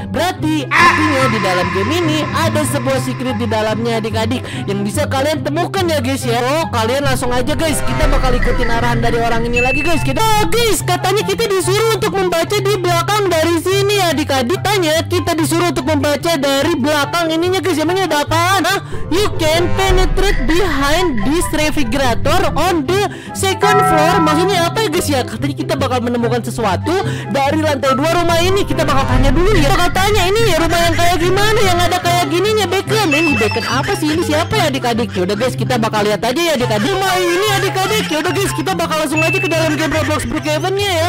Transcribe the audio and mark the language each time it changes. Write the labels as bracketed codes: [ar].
[id] Berarti artinya di dalam game ini ada sebuah secret di dalamnya adik-adik yang bisa kalian temukan ya guys ya. Oh, kalian langsung aja guys, kita bakal ikutin arahan dari orang ini lagi guys. Kita guys, katanya kita disuruh untuk membaca di belakang dari sini ya adik-adik. Ditanya kita disuruh untuk membaca dari belakang ininya guys. Emangnya ada apaan? Hah? [en] You can penetrate behind this refrigerator on the second floor. [id] Maksudnya apa ya guys ya? Katanya kita bakal menemukan sesuatu dari lantai dua rumah ini. Kita bakal tanya dulu ya. Katanya ini ya rumah yang kayak gimana? Yang ada kayak gininya bacon. Ini bacon apa sih? Ini siapa ya adik-adik? Yaudah guys, kita bakal lihat aja ya adik-adik. Rumah ini adik-adik. Yaudah guys, kita bakal langsung aja ke dalam game Roblox Brookhaven-nya ya.